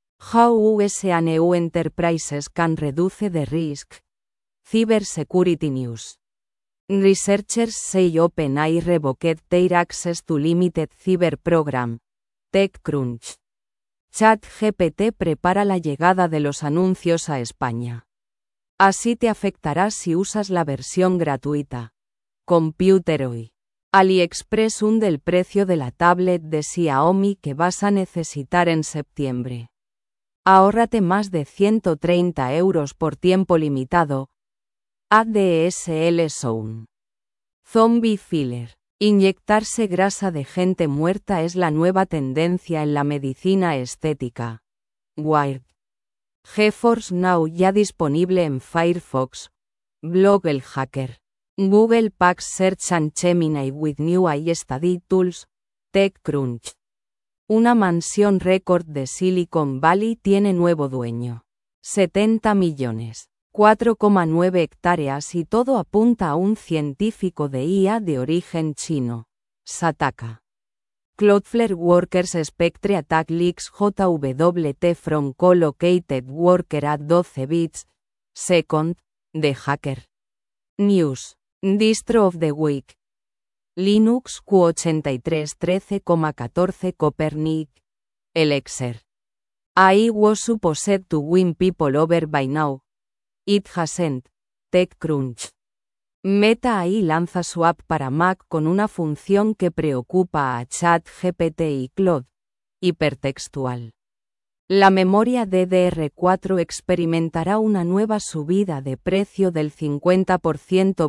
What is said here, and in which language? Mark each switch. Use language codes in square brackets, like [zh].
[en] How US and EU Enterprises can reduce the risk. Cyber Security News. Researchers say OpenAI revoked their access to limited cyber program. TechCrunch. [es] ChatGPT prepara la llegada de los anuncios a España. Así te afectará si usas la versión gratuita. Computeroy. AliExpress hunde el precio de la tablet de Xiaomi que vas a necesitar en septiembre. Ahórrate más de 130 euros por tiempo limitado. ADSL Zone. Zombie Filler. Inyectarse grasa de gente muerta es la nueva tendencia en la medicina estética. Wired. GeForce Now ya disponible en Firefox. Blog El Hacker. [en] Google Packs Search and Gemini with new AI Study Tools. TechCrunch. [es] Una mansión récord de Silicon Valley tiene nuevo dueño. 70 millones. 4,9 hectáreas y todo apunta a un científico de IA de origen chino. [en] Sataka. Cloudflare Workers Spectre Attack Leaks JWT from Co-located Worker at 12 bits. Second, The Hacker. News. Distro of the Week. Linux Q83 13,14 Copernic. Elixir. I was supposed to win people over by now. It hasn't. TechCrunch. [es] Meta AI lanza su app para Mac con una función que preocupa a ChatGPT y Claude. Hipertextual. La memoria DDR4 experimentará una nueva subida de precio del 50%.